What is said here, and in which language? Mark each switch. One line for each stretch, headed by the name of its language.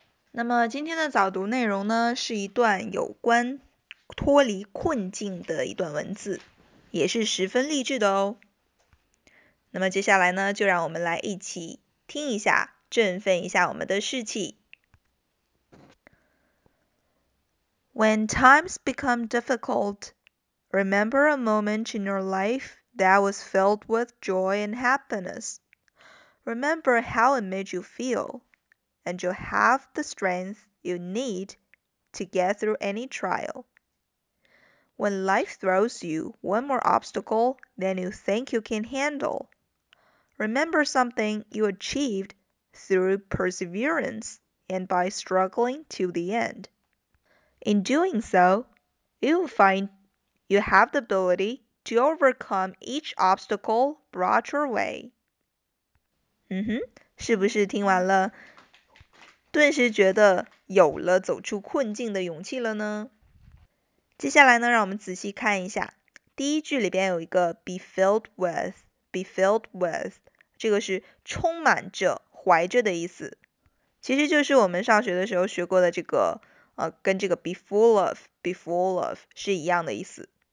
Chinese: 那么今天的早读内容呢，是一段有关脱离困境的一段文字，也是十分励志的哦。那么接下来呢，就让我们来一起听一下，振奋一下我们的士气。
English: When times become difficult, remember a moment in your life that was filled with joy and happiness. Remember how it made you feel, and you'll have the strength you need to get through any trial. When life throws you one more obstacle than you think you can handle, remember something you achieved through perseverance and by struggling to the end. In doing so, you'll find you have the ability to overcome each obstacle brought your way.
Chinese: 嗯哼，是不是听完了，顿时觉得有了走出困境的勇气了呢？接下来呢，让我们仔细看一下，第一句里边有一个 be filled with， 这个是充满着、怀着的意思，其实就是我们上学的时候学过的这个，跟这个 be full of 是一样的意思。